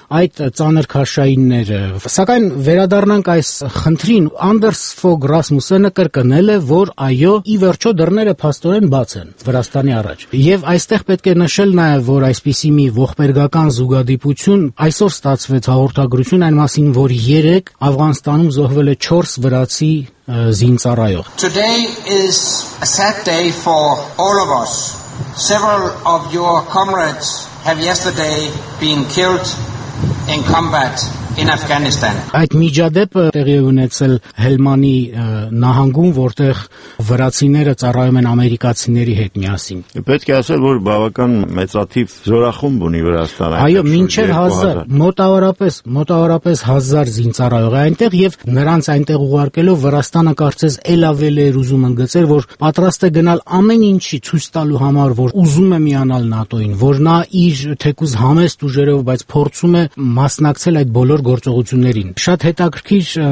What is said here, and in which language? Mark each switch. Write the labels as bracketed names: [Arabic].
[Armenian] այդ ծանրքաշայինները։ Սակայն վերադառնանք այս խնդրին, Անդերս Ֆոգ Ռասմուսենը կրկնել է, որ այո, ի վերջո դռները փաստորեն բաց են Վրաստանի առաջ, եւ այստեղ պետք է նշել նաեւ, որ այսպիսի մի ողբերգական զուգադիպություն այսօր ստացվեց հաղորդագրություն այն մասին, որ 3 Աֆղանստանում զոհվել է 4 վրացի զինծառայող։ [English] Today is a sad day for all of us. Several of your comrades have yesterday been killed in combat in Afghanistan. [Armenian] Այդ միջադեպը տեղի ունեցել Հելմանի նահանգում, որտեղ վրացիները ծառայում են ամերիկացիների հետ միասին։ Պետք է ասել, որ բավական մեծաթիվ զորախումբ ունի Վրաստանը։ Այո, մինչև 1000, մոտավորապես 1000 զինծառայող է այնտեղ, եւ նրանց այնտեղ ուղարկելով Վրաստանը կարծես ել ավել էր ուզում ընդգծել, որ պատրաստ է գնալ ամեն ինչի ցույց տալու համար, որ ուզում է միանալ ՆԱՏՕ-ին, որ նա իր թեկուզ համեստ ուժերով, բայց փորձում է մասնակցել այդ բոլոր գործողություններին։ Շատ հետաքրքիր,